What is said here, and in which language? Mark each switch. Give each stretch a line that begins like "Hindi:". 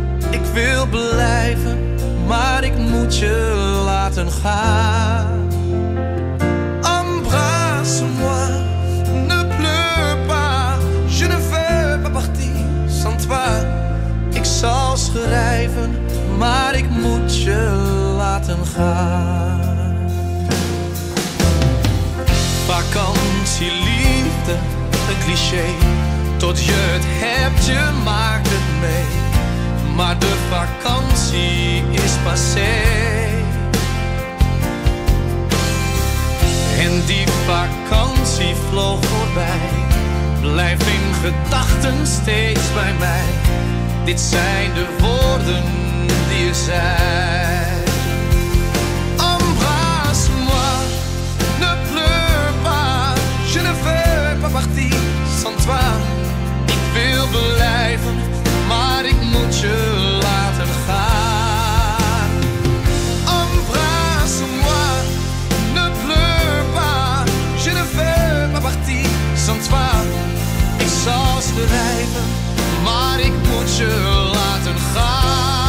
Dutch: Ik wil blijven, maar ik moet je laten gaan.
French: Embrasse-moi, ne pleure pas, je ne veux pas partir sans toi.
Dutch: Ik zal schrijven, maar ik moet je laten gaan. Vakantie, liefde, een cliché. Tot je het hebt, je maakt het mee. Maar de vakantie is passé. En die vakantie vloog voorbij. Blijf in gedachten steeds bij mij. Dit zijn de woorden die je zei.
French: Embrasse-moi, ne pleure pas, je ne veux pas partir sans toi.
Dutch: Ik wil blijven, maar ik moet je laten gaan.
French: Embrasse-moi, ne pleure pas, je ne veux pas partir sans toi.
Dutch: Ik zal schrijven, maar ik moet je laten gaan.